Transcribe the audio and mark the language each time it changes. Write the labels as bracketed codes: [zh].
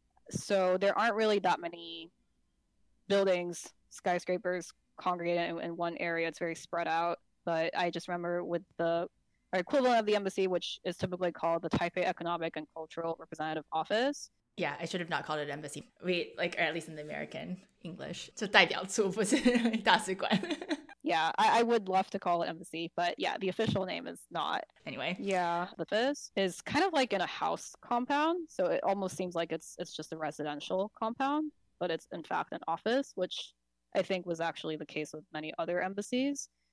[en] So there aren't really that many buildings, skyscrapers congregated in one area. It's very spread out. But I just remember with the equivalent of the embassy, which is typically called the Taipei Economic and Cultural Representative Office. Yeah, I should have not called it embassy. Or at least in the American English. [zh] So 代表处不是大使馆. [en] Yeah, I would love to call it embassy, but yeah, the official name is not. Anyway. Yeah, the office is kind of like in a house compound. So it almost seems like it's just a residential compound, but it's in fact an office, which I think was actually the case with many other embassies.